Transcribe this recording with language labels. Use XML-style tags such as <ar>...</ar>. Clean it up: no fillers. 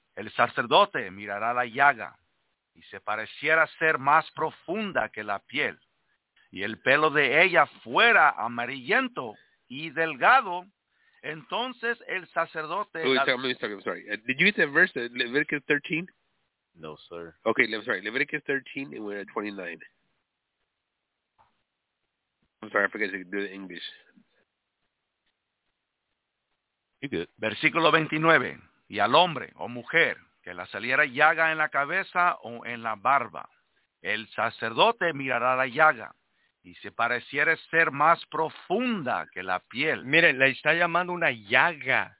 <es>El sacerdote mirará la llaga y se pareciera ser más profunda que la piel. Y el pelo de ella fuera amarillento y delgado, entonces el sacerdote...</es> <en>Let me talk, I'm sorry. Did you get the verse, Leviticus 13? No, sir. Okay, I'm sorry. Leviticus 13 and we're at 29. I'm sorry, I forget to do the English. You good.</en> <es>Versículo 29. Y al hombre o mujer que la saliera llaga en la cabeza o en la barba, el sacerdote mirará la llaga. Y si pareciera ser más profunda que la piel. Miren, le está llamando una llaga.</es>